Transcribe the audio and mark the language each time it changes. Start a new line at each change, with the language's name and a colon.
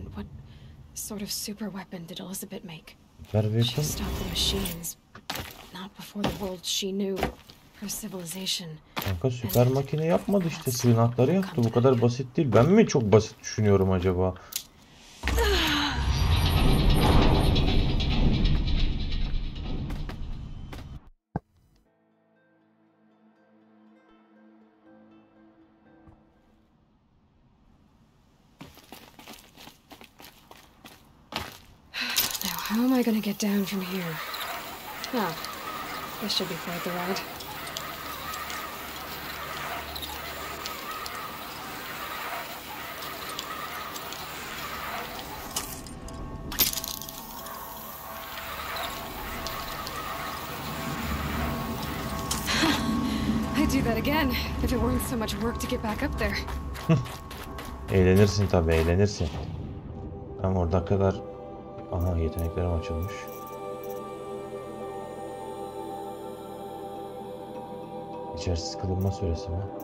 English: What sort of super weapon did Elizabeth make? She stopped the machines, not before the world she knew, her civilization.
Turkish: Kanka süper makine yapmadı işte, sığınakları yaptı. Bu kadar basit değil. Ben mi çok basit düşünüyorum acaba?
English: Gonna get down from here. Ah, this should be quite the ride. I'd do that again if it weren't so much work to get back up there.
Turkish: Eğlenirsin tabii, eğlenirsin. Ama orada kadar. Aha, yeteneklerim açılmış. İçersiz kılınma süresi mi?